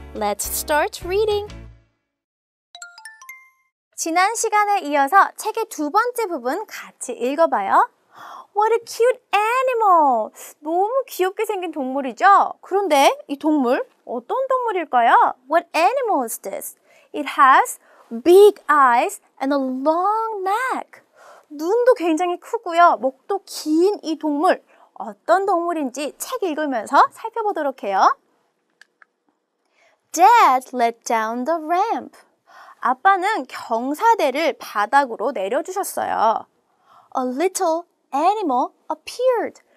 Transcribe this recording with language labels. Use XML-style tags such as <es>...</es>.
<en>Let's start reading!</en> <ko>지난 시간에 이어서 책의 두 번째 부분 같이 읽어봐요.</ko> <en>What a cute animal!</en> <ko>너무 귀엽게 생긴 동물이죠? 그런데 이 동물 어떤 동물일까요?</ko> <en>What animal is this? It has big eyes and a long neck.</en> <ko>눈도 굉장히 크고요. 목도 긴 이 동물. 어떤 동물인지 책 읽으면서 살펴보도록 해요.</ko> <en>Dad let down the ramp.</en> <ko>아빠는 경사대를 바닥으로 내려주셨어요.</ko> <en>A little animal appeared.</en>